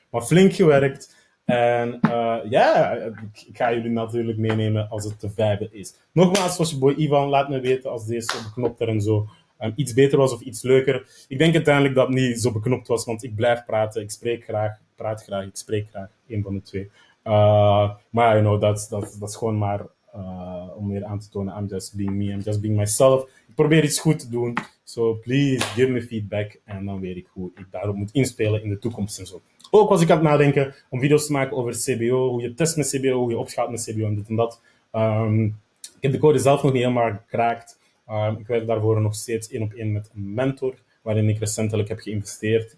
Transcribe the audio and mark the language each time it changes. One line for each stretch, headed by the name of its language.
Dutch: Maar flink gewerkt. En ja, ik ga jullie natuurlijk meenemen als het de vijfde is. Nogmaals, zoals je boy Ivan, laat me weten als deze zo beknopt er en zo iets beter was of iets leuker. Ik denk uiteindelijk dat het niet zo beknopt was, want ik blijf praten. Ik spreek graag, praat graag, ik spreek graag. Eén van de twee. Maar
English: you know,
Dutch: dat is gewoon maar... om weer aan te tonen,
English: I'm just being me, I'm just being myself.
Dutch: Ik probeer iets goed te doen,
English: so please give me feedback
Dutch: en dan weet ik hoe ik daarop moet inspelen in de toekomst en zo. Ook was ik aan het nadenken om video's te maken over CBO, hoe je test met CBO, hoe je opschaalt met CBO en dit en dat. Ik heb de code zelf nog niet helemaal gekraakt. Ik werk daarvoor nog steeds 1-op-1 met een mentor, waarin ik recentelijk heb geïnvesteerd.